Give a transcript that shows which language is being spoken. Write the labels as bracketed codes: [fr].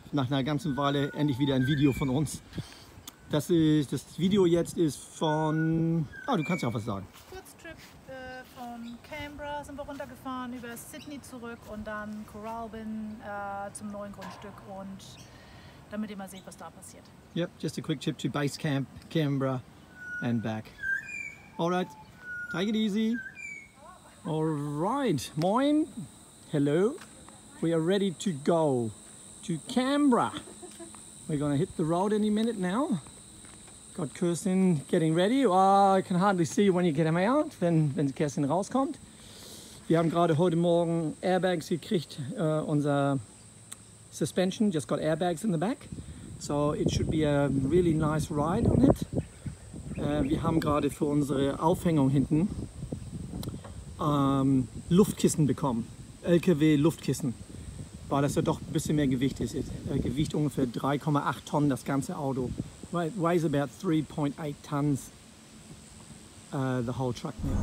[de] Nach einer ganzen Weile endlich wieder ein Video von uns. Das Video jetzt ist von. Ah, du kannst ja auch was sagen. Kurztrip von Canberra sind wir runtergefahren, über Sydney zurück und dann Coralbin zum neuen Grundstück und damit ihr mal seht, was da passiert. [en] Yep, just a quick trip to Base Camp, Canberra and back. Alright, take it easy. Alright, moin, hello, we are ready to go to Canberra. We're gonna hit the road any minute now. Got Kirsten getting ready. I can hardly see when you get him out, [de] wenn Kirsten rauskommt. Wir haben gerade heute Morgen Airbags gekriegt, unser [en] Suspension just got airbags in the back. So it should be a really nice ride on it. [de] Wir haben gerade für unsere Aufhängung hinten Luftkissen bekommen, LKW Luftkissen, weil das ja doch ein bisschen mehr Gewicht ist. Gewicht ungefähr 3,8 Tonnen, das ganze Auto. [en] It weighs about 3.8 tons, the whole truck.